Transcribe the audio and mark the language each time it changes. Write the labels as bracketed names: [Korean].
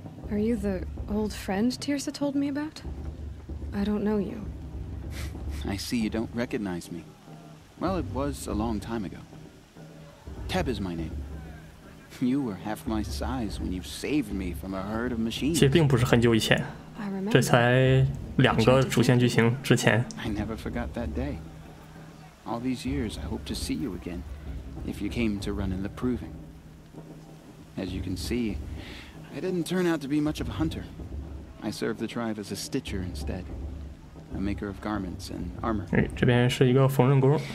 [English] Are you the old friend Tirsa told me about? I don't know you. I see you don't recognize me. Well, it was a long time ago. Teb is my name. You were half my size when you saved me from a herd of machines. [Chinese] 其实并不是很久以前，这才两个主线剧情之前。 [English] I never forgot that day. All these years, I hope to see you again, if you came to run in the proving. As you can see, I didn't turn out to be much of a hunter. I served the tribe as a stitcher instead. a maker of garments and armor. [Chinese] 哎，这边是一个缝纫工，